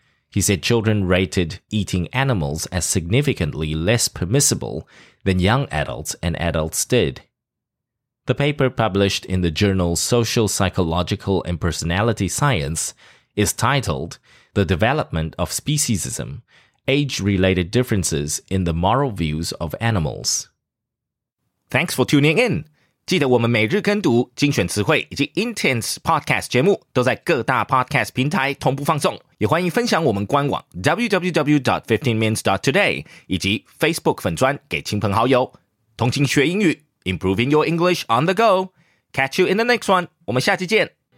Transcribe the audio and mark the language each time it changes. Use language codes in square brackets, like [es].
[en] He said children rated eating animals as significantly less permissible than young adults and adults did. The paper published in the journal Social, Psychological, and Personality Science is titled The Development of Speciesism, Age-Related Differences in the Moral Views of Animals. Thanks for tuning in! [zh] 记得我们每日跟读精选词汇以及 Intense Podcast 节目都在各大 Podcast 平台同步放送，也欢迎分享我们官网 www.15mins.today 以及 Facebook 粉专给亲朋好友。同情学英语 [en] ，Improving your English on the go. Catch you in the next one. [zh] 我们下期见。